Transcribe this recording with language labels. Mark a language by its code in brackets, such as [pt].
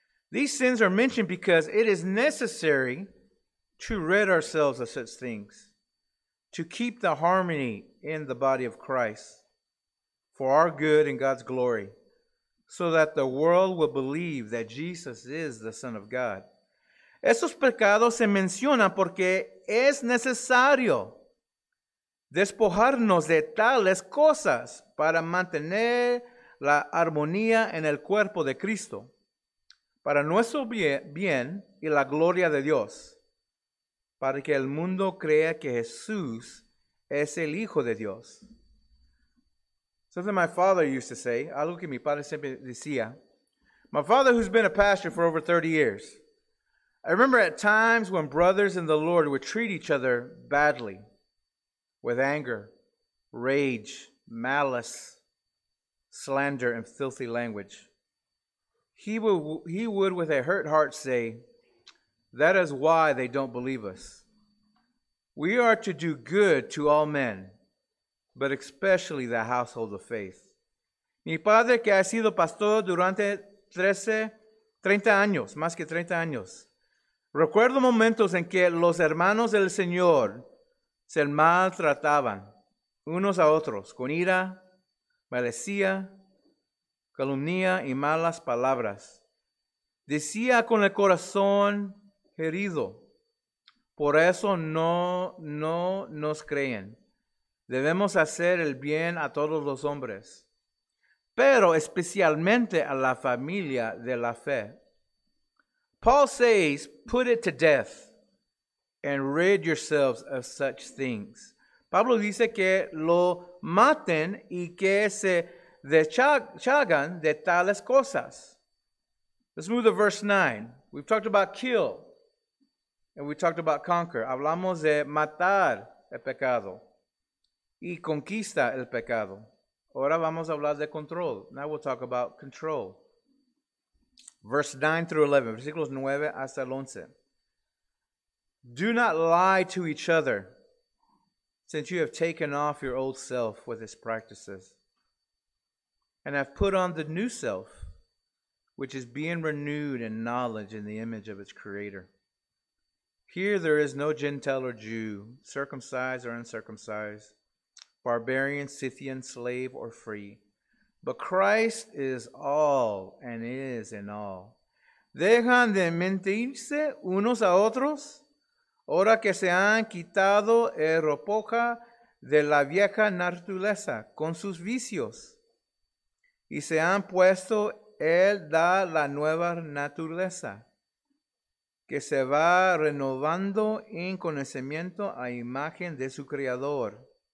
[en] These sins are mentioned because it is necessary to rid ourselves of such things, to keep the harmony in the body of Christ for our good and God's glory, so that the world will believe that Jesus is the Son of God. [es] Estos pecados se mencionan porque es necesario despojarnos de tales cosas para mantener la armonía en el cuerpo de Cristo, para nuestro bien y la gloria de Dios, para que el mundo crea que Jesús es el Hijo de Dios. [en] Something my father used to say, [es] algo que mi padre siempre decía. [en] My father, who's been a pastor for over 30 years, I remember at times when brothers in the Lord would treat each other badly, with anger, rage, malice, slander, and filthy language. He would, with a hurt heart, say, that is why they don't believe us. We are to do good to all men, but especially the household of faith. [es] Mi padre, que ha sido pastor durante 30 años, recuerdo momentos en que los hermanos del Señor se maltrataban unos a otros con ira, malicia, calumnia y malas palabras. Decía con el corazón herido. Por eso no nos creen. Debemos hacer el bien a todos los hombres, pero especialmente a la familia de la fe. [en] Paul says, put it to death and rid yourselves of such things. [es] Pablo dice que lo maten y que se deshagan de tales cosas. [en] Let's move to verse 9. We've talked about kill and we talked about conquer. [es] Hablamos de matar el pecado y conquista el pecado. Ahora vamos a hablar de control. [en] Now we'll talk about control. Verse 9 through 11. [es] Versículos 9 hasta el 11. [en] Do not lie to each other, since you have taken off your old self with its practices and have put on the new self, which is being renewed in knowledge in the image of its creator. Here there is no Gentile or Jew, circumcised or uncircumcised, barbarian, Scythian, slave, or free. But Christ is all and is in all. [es] Dejan de mentirse unos a otros, ahora que se han quitado el ropaje de la vieja naturaleza con sus vicios, y se han puesto el de la nueva naturaleza, que se va renovando en conocimiento a imagen de su Creador.